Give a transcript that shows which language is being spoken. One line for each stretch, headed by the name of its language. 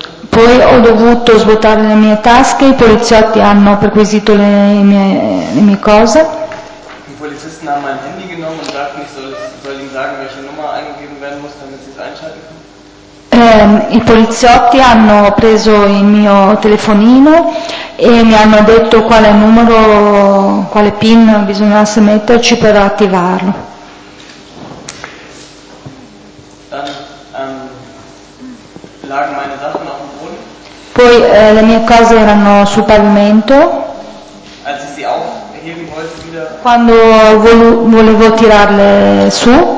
Italian: Poi ho dovuto svuotare le mie tasche, i poliziotti hanno perquisito le mie cose. I poliziotti hanno
German: mein Handy genommen und sagten, ich soll ihnen sagen, welche Nummer angegeben werden muss, damit sie es einschalten können.
Italian: I poliziotti hanno preso il mio telefonino e mi hanno detto quale numero, quale PIN bisognasse metterci per attivarlo.
German: Lagen meine Sachen auf dem Boden.
Italian: Poi le mie cose erano sul pavimento.
German: Als ich sie aufheben wollte wieder,
Italian: quando volevo tirarle su,